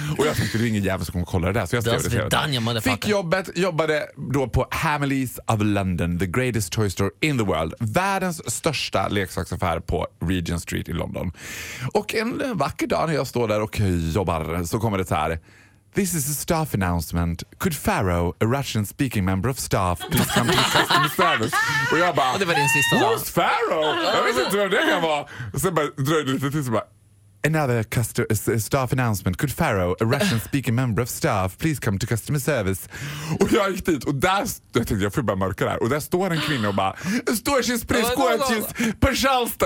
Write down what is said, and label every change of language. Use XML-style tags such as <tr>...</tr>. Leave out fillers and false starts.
<sv>Och jag tänkte, det är ingen jävel som kommer kolla det där. Så jag skrev det. Fick jobbet, jobbade då på Hamleys of London,</sv> <en>the greatest toy store in the world.</en> <sv>Världens största leksaksaffär på Regent Street i London. Och en vacker dag när jag står där och jobbar så kommer det så här:</sv> <en>this is a staff announcement. Could Farao, a Russian-speaking member of staff, please come to the customer service?</en> <sv>Och jag bara, och det var din sista who's dag. Farao? Jag visste inte vem det kan vara. Och sen bara dröjde lite till, så bara,</sv> <en>another staff announcement. Could Farao, a Russian-speaking member of staff, please come to customer service?</en> <sv>Och jag gick dit och där, jag tänkte, jag får bara mörka där. Och där står en kvinna och bara, Storchins pris, Kortchins, Persalsta.</sv>